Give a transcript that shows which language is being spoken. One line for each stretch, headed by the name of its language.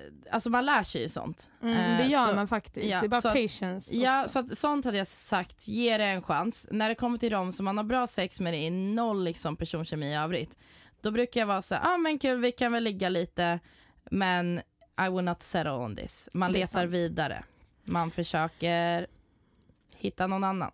Swedish: Alltså man lär sig ju sånt. Det gör så, man faktiskt. Yeah, det är bara så, patience. Ja, så att, sånt hade jag sagt. Ge det en chans. När det kommer till dem som man har bra sex med, det är noll liksom personkemi i övrigt. Då brukar jag vara så här, ah, men kul, vi kan väl ligga lite. Men
English: I will not settle on this.
Swedish: Man letar sant. Vidare. Man försöker hitta någon annan.